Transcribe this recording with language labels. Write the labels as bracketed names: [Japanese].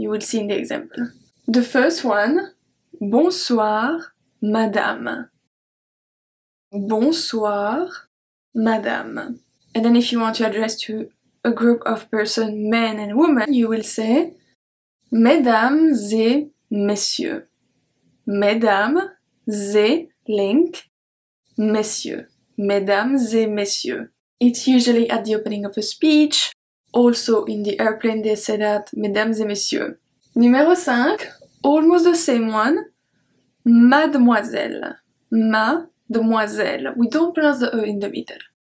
[English] You will see in the example. The first one, [French] bonsoir, madame. Bonsoir, madame. [English] And then if you want to address to a group of person, men and women, you will say, [French] mesdames et messieurs. Mesdames et link, messieurs. Mesdames et messieurs. [English] It's usually at the opening of a speech. Also, in the airplane, they say that, [French] mesdames et messieurs. [English] Numéro 5, almost the same one, mademoiselle. Mademoiselle. We don't pronounce the E in the middle.